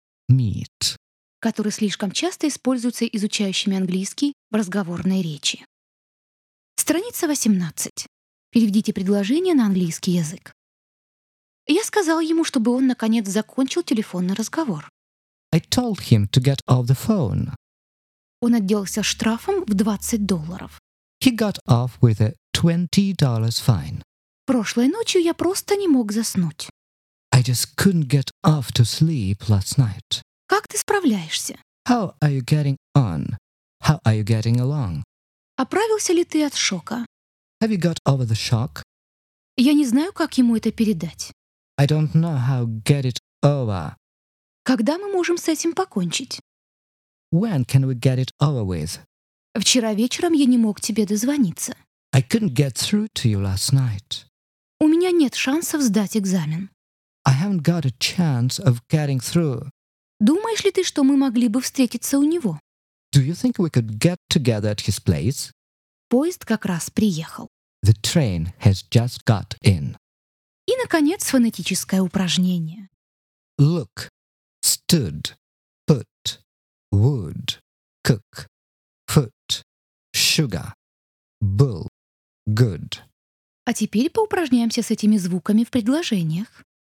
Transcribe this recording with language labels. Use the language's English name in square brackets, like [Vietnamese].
[English] meet, [Russian] который слишком часто используется изучающими английский в разговорной речи. Страница 18. Переведите предложение на английский язык. Я сказал ему, чтобы он наконец закончил телефонный разговор. [English] I told him to get off the phone. [Russian] Он отделался штрафом в $20. [English] He got off with a $20 fine. [Russian] Прошлой ночью я просто не мог заснуть. [English] I just couldn't get off to sleep last night. [Russian] Как ты справляешься? [English] How are you getting on? How are you getting along? [Russian] Оправился ли ты от шока? [English] Have you got over the shock? [Russian] Я не знаю, как ему это передать. [English] I don't know how to get it over. [Russian] Когда мы можем с этим покончить? [English] When can we get it over with? [Russian] Вчера вечером я не мог тебе дозвониться. [English] I couldn't get through to you last night. [Russian] У меня нет шансов сдать экзамен. [English] I haven't got a chance of getting through. [Russian] Думаешь ли ты, что мы могли бы встретиться у него? [English] Do you think we could get together at his place? [Russian] Поезд как раз приехал. [English] The train has just got in. [Russian] И, наконец, фонетическое упражнение. [English] Look, stood, put, would, cook, foot, sugar, был, good. [Russian] А теперь поупражняемся с этими звуками в предложениях.